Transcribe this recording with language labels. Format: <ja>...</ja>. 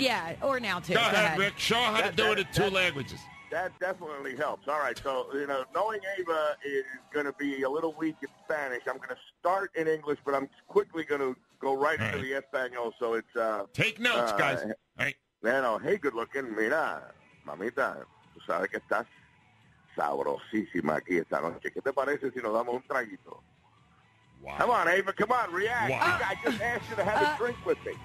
<en>Yeah, or now, too. Go ahead, Rick. Show how to do it in two languages. That definitely helps. All right, so, you know, knowing Ava is going to be a little weak in Spanish, I'm going to start in English, but I'm quickly going to go right into the Espanol, so it's... Take notes, guys. Hey, good-looking.</en> <es>Mira, mamita, tú sabes que estás sabrosísima aquí esta noche. ¿Qué te parece si nos damos un traguito?</es> <en>Wow. Come on, Ava, come on, react. Wow. I just asked you to have a drink with me.</en>